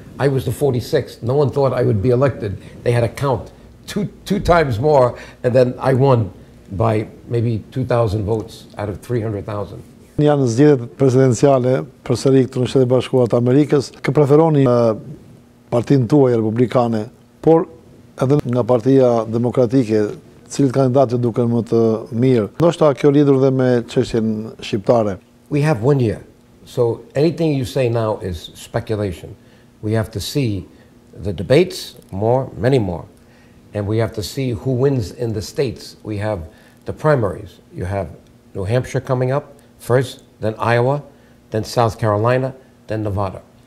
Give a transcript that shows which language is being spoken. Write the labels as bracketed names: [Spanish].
[English] I was the 46th. No one thought I would be elected. They had to count two times more, and then I won by maybe 2,000 votes out of 300,000. [Albanian] Në janë zgjedhjet presidenciale përsëri këtu në Shtetet Bashkuara të Amerikës, kë preferoni partinë tuaj republikane, por edhe nga partia demokratike, cilët kandidatë duken më të mirë? Ndoshta kjo lidhur dhe me çështjen shqiptare. [English] We have 1 year. So anything you say now is speculation. We have to see the debates more, many more. And we have to see who wins in the states. We have the primaries. You have New Hampshire coming up first, then Iowa, then South Carolina, then Nevada.